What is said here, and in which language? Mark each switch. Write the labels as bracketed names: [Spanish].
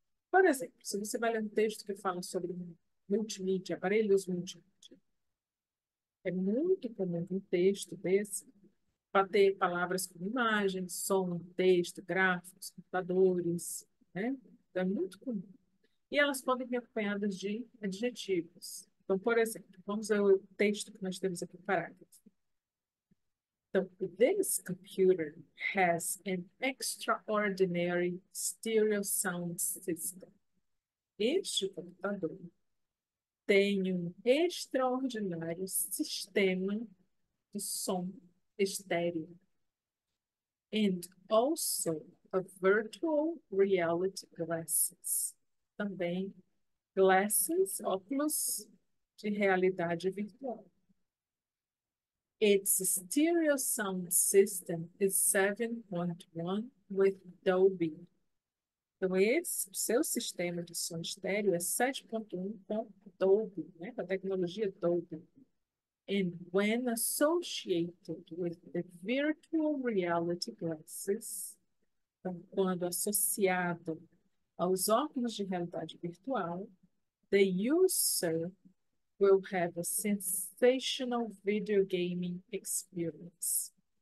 [Portuguese] Por exemplo, se você vai ler um texto que fala sobre multimídia, aparelhos multimídia, é muito comum um texto desse bater palavras como imagem, som, texto, gráficos, computadores, né? É muito comum. E elas podem vir acompanhadas de adjetivos. Então, por exemplo, vamos ver o texto que nós temos aqui parágrafo. [English] Então, this computer has an extraordinary stereo sound system. [Portuguese] Este computador tem um extraordinário sistema de som estéreo. [English] And also a virtual reality glasses. [Portuguese] Também glasses, óculos de realidade virtual. [English] Its stereo sound system is 7.1 with Dolby. [Portuguese] Então, esse seu sistema de som estéreo é 7.1 com Dolby, né? Com a tecnologia Dolby. [English] And when associated with the virtual reality glasses, [Portuguese] então, quando associado aos óculos de realidade virtual, [English] the user will have a sensational video gaming experience.